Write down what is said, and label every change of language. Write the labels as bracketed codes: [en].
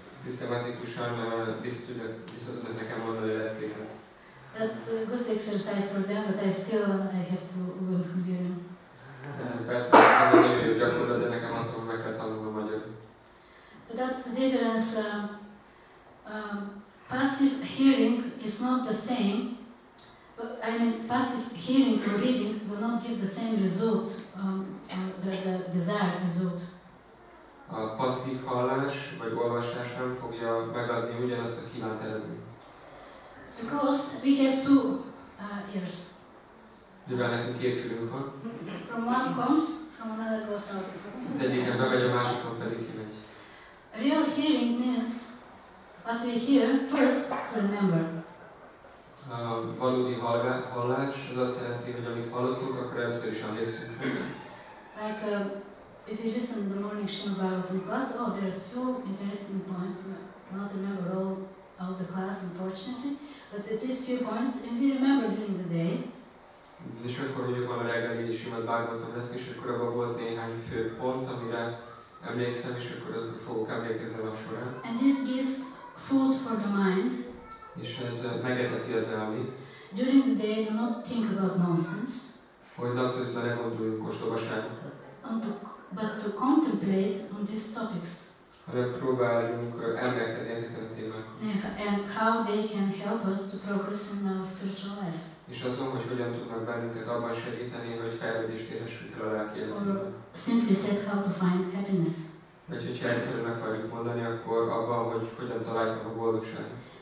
[hu] Systematikusan visszatudod nekem mondani a leckéket. [en] That's a good exercise for them, but I still I have to learn Hungarian. [hu] Persze, az a nagyon jó gyakorlat, de nekem attól meg kell tanulnom magyarul. [en] But that's the difference. Passive hearing is not the same. But, I mean, passive hearing or reading will not give the same result, the desired result. [hu] A passzív hallás vagy olvasás nem fogja megadni ugyanazt a kívánt eredményt. [en] Because we have two ears. [hu] mivel nekünk két fülünk van. [en] From one comes, from another goes out. [hu] Az egyiken bevegy, a másikon pedig kimegy. [en] Real hearing means what we hear first remember. [hu] Valódi hallás, az azt jelenti, hogy amit hallottunk, akkor először is emlékszünk. [en] Like if you listen to the morning Shinobagot in class, oh, there's few interesting points, but cannot remember all of the class, unfortunately. But with these few points, if we remember during the day. [hu] És akkor mondjuk van a reggeli Shinobagotom lesz, és akkor abban volt néhány fő pont, amire emlékszem, és akkor az fogok emlékezni a során. [en] And this gives food for the mind. [hu] És ez megeteti az elmét. [en] During the day, do not think about nonsense. [hu] Hogy napközben ne gondoljunk ostobaságokat. [en] But to contemplate on these topics. [hu] Hanem próbáljunk emelkedni ezeket a témákat. [en] And how they can help us to progress in our spiritual life. [hu] És azon, hogy hogyan tudnak bennünket abban segíteni, hogy fejlődést érhessük el a lelki életünkben. [en] Simply said, how to find happiness. [hu] Vagy hogyha egyszerűen meg akarjuk mondani, akkor abban, hogy hogyan találjuk a boldogságot.